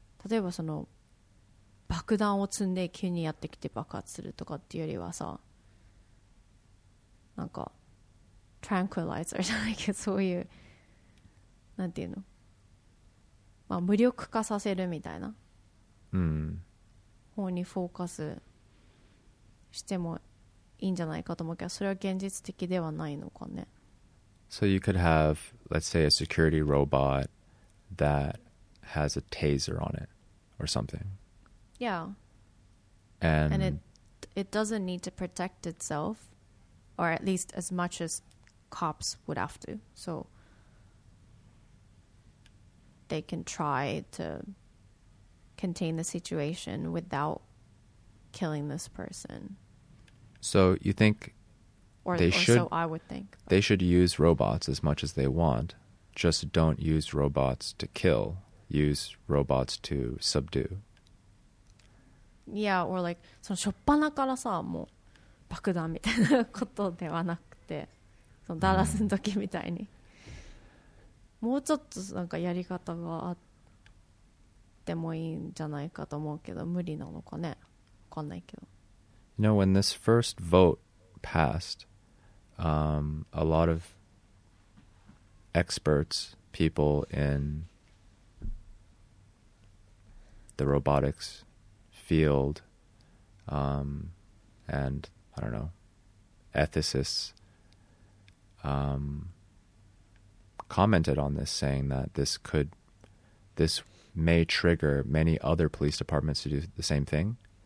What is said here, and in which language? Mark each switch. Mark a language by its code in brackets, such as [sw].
[ja] 例えばその爆弾を積んで急にやってきて爆発するとかっていうよりはさ、なんかトランクライザーじゃないけど、そういうなんていうの、まあ無力化させるみたいな方にフォーカスしてもいいんじゃないかと思うけど、それは現実的ではないのかね。 [en] So you could have, let's say, a security robot that has a taser on it or something. Yeah. And it doesn't need to protect itself, or at least as much as cops would have to. So they can try to contain the situation without killing this person. So you think... They should use robots as much as they want. Just don't use robots to kill. Use robots to subdue. Yeah, or like, [ja] その初っ端からさ、もう爆弾みたいなことではなくて、そのダラスの時みたいに、もうちょっとなんかやり方があってもいいんじゃないかと思うけど、無理なのかね。わかんないけど。 [en] You know, when this first vote passed... a lot of experts, people in the robotics field, and I don't know, ethicists, commented on this, saying that this may trigger many other police departments to do the same thing.